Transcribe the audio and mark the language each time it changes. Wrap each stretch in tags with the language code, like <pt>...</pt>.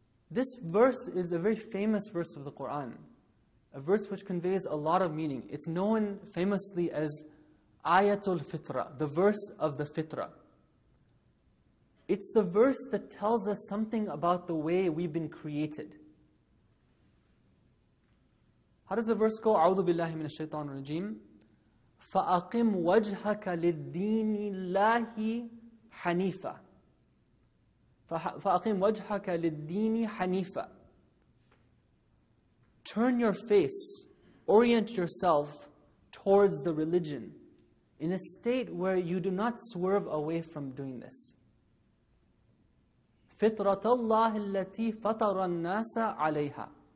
<en>This verse is a very famous verse of the Quran, a verse which conveys a lot of meaning. It's known famously as Ayatul Fitra, the verse of the Fitra. It's the verse that tells us something about the way we've been created. How does the verse go?</en> <ar>أعوذ بالله من الشيطان الرجيم فَأَقِمْ وَجْهَكَ لِلدِّينِ اللَّهِ حَنِيفًا فَأَقِمْ وَجْهَكَ لِلدِّينِ حَنِيفًا.</ar> <en>Turn your face, orient yourself towards the religion in a state where you do not swerve away from doing this.</en> <ar>فِطْرَةَ اللَّهِ الَّتِي فَطَرَ النَّاسَ عَلَيْهَا.</ar>